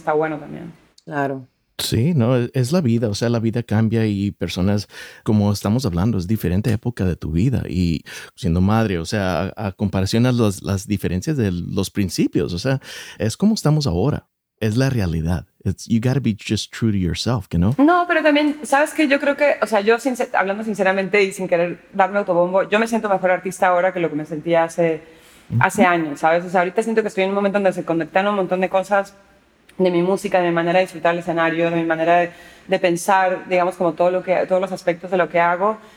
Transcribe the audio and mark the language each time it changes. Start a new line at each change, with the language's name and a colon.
Spanish: Que está bueno también. Claro. Sí, no, es la vida, o sea, la vida cambia y personas, como estamos hablando, es diferente época de tu vida y siendo madre, o sea, a comparación a las diferencias de los principios, o sea, es como estamos ahora. Es la realidad.
English: You gotta be just true to yourself, you know?
Spanish: No, pero también, ¿sabes qué? Yo creo que, o sea, yo hablando sinceramente y sin querer darme autobombo, yo me siento mejor artista ahora que lo que me sentía hace años, ¿sabes? O sea, ahorita siento que estoy en un momento donde se conectan un montón de cosas de mi música, de mi manera de disfrutar el escenario, de mi manera de pensar, digamos, como todos los aspectos de lo que hago.